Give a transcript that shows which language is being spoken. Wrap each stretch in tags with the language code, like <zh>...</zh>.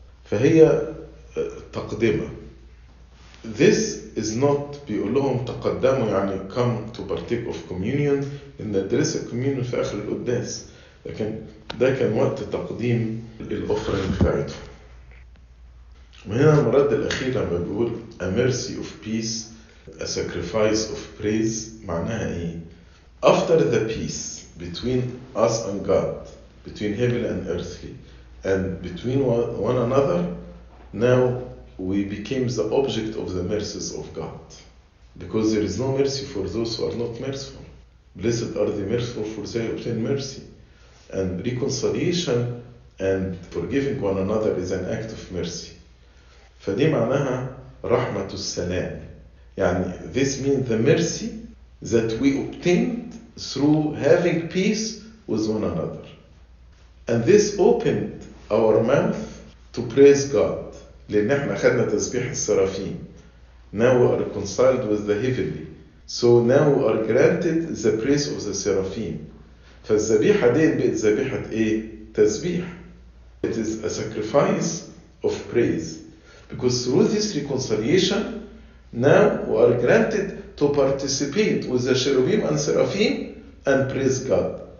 <ar>فهي تقدمة.</ar> <en>This is not,</en> <ar>بيقول لهم تقدموا يعني</ar> <en>come to partake of communion,</en> <ar>إن أدرس communion في آخر القداس. لكن ده كان وقت تقديم الأوفرينج بتاعته. وهنا المرد الأخير لما بيقول</ar> <en>a mercy of peace, a sacrifice of praise,</en> <ar>معناها إيه؟</ar> <en>After the peace between us and God, between heaven and earthly, and between one another, now we became the object of the mercies of God. Because there is no mercy for those who are not merciful. Blessed are the merciful, for they obtain mercy. And reconciliation and forgiving one another is an act of mercy.</en> <ar>فدي معناها رحمة السلام. يعني</ar> <en>this means the mercy that we obtained through having peace with one another. And this opened our mouth to praise God.</en> <ar>لأن احنا خدنا تسبيح السرافين.</ar> <en>Now we are reconciled with the heavenly. So now we are granted the praise of the seraphim.</en> <ar>فالذبيحة دي بقت ذبيحة ايه؟ تسبيح.</ar> <en>It is a sacrifice of praise. Because through this reconciliation, now we are granted to participate with the cherubim and seraphim and praise God.</en>